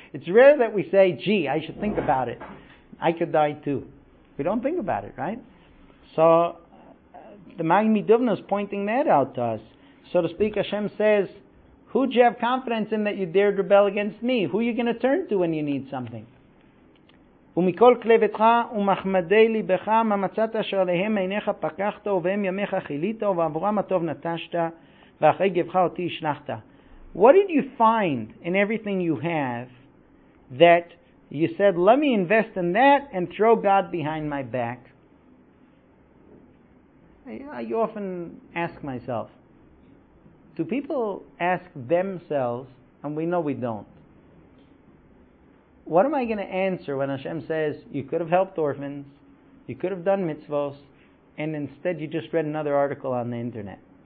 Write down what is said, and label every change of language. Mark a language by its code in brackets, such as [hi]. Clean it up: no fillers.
[en] It's rare that we say, gee, I should think about it. I could die too. We don't think about it, right? So, the Magen Midvarna is pointing that out to us. So to speak, Hashem says, who'd you have confidence in that you dared rebel against me? Who are you going to turn to when you need something? [he] ומכל כלבתך ומחמדי ליבך מה מצאת אשר עליהם עיניך פקחת ובהם ימיך חילית ועבורם הטוב נטשת ואחרי גבך אותי השלחת. [en] What did you find in everything you have that you said, let me invest in that and throw God behind my back? I often ask myself, do people ask themselves, and we know we don't, what am I going to answer when Hashem says, you could have helped orphans, you could have done mitzvos, and instead you just read another article on the internet?